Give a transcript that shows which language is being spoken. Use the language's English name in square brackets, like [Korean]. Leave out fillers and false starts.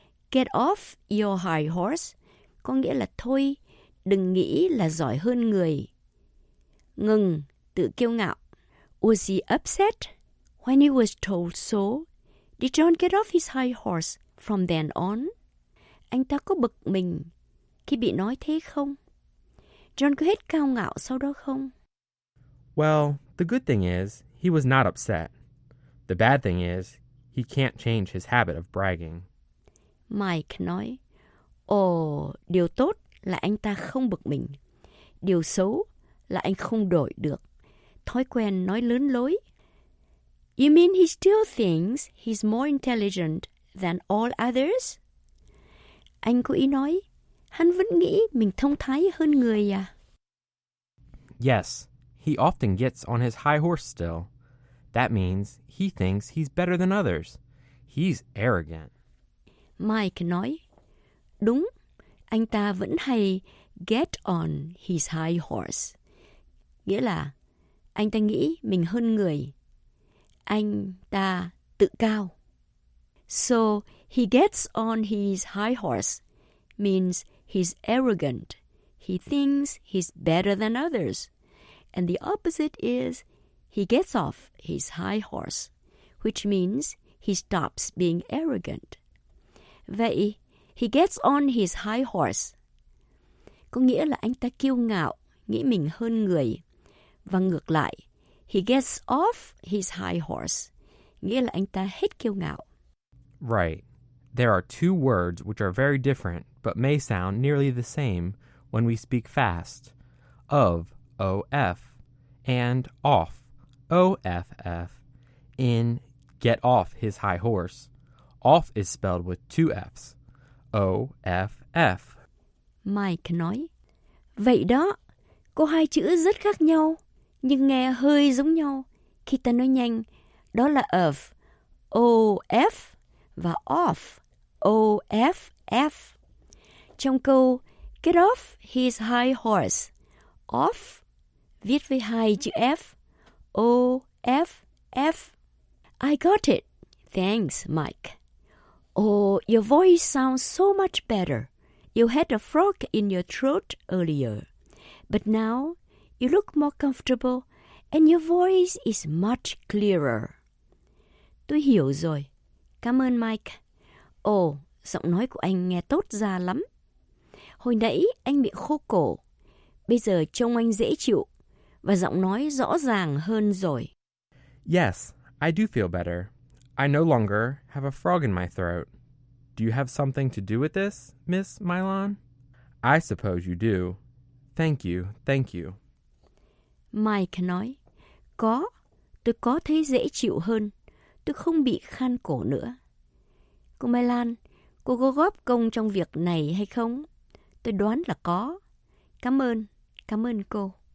[English] Get off your high horse, [Vietnamese] có nghĩa là thôi, đừng nghĩ là giỏi hơn người. Ngừng, tự kiêu ngạo. [English] Was he upset when he was told so? Did John get off his high horse from then on? [Vietnamese] Anh ta có bực mình khi bị nói thế không? John có hết cao ngạo sau đó không? [English] Well, the good thing is, he was not upset. The bad thing is, he can't change his habit of bragging. [Vietnamese] Mike nói, ồ, điều tốt là anh ta không bực mình. Điều xấu là anh không đổi được. Thói quen nói lớn lối. [English] You mean he still thinks he's more intelligent than all others? [Vietnamese] Anh cố ý nói, hắn vẫn nghĩ mình thông thái hơn người à? [English] Yes. He often gets on his high horse still. That means he thinks he's better than others. He's arrogant. [Vietnamese] Mike nói, đúng, anh ta vẫn hay [English] get on his high horse. [Vietnamese] Nghĩa là, anh ta nghĩ mình hơn người. Anh ta tự cao. [English] So, he gets on his high horse means he's arrogant. He thinks he's better than others. And the opposite is, he gets off his high horse, which means he stops being arrogant. [Vietnamese] Vậy, [English] he gets on his high horse. [Vietnamese] Có nghĩa là anh ta kiêu ngạo, nghĩ mình hơn người. Và ngược lại, [English] he gets off his high horse. [Vietnamese] Nghĩa là anh ta hết kiêu ngạo. [English] Right. There are two words which are very different, but may sound nearly the same when we speak fast. Of, O-F, and off, O-F-F, in get off his high horse. Off is spelled with two Fs, O-F-F. [Vietnamese] Mike nói, vậy đó, có hai chữ rất khác nhau, nhưng nghe hơi giống nhau. Khi ta nói nhanh, đó là of, O-F, và off, O-F-F. Trong câu, [English] get off his high horse, [Vietnamese] off, viết với hai chữ F, O, F, F. [English] I got it. Thanks, Mike. Oh, your voice sounds so much better. You had a frog in your throat earlier. But now, you look more comfortable and your voice is much clearer. [Vietnamese] Tôi hiểu rồi. Cảm ơn, Mike. Oh, giọng nói của anh nghe tốt ra lắm. Hồi nãy, anh bị khô cổ. Bây giờ trông anh dễ chịu. Và giọng nói rõ ràng hơn rồi. [English] Yes, I do feel better. I no longer have a frog in my throat. Do you have something to do with this, Miss Mylon? I suppose you do. Thank you, thank you. [Vietnamese] Mike nói, có, tôi có thấy dễ chịu hơn. Tôi không bị khan cổ nữa. Cô Mylon, cô có góp công trong việc này hay không? Tôi đoán là có. Cảm ơn cô.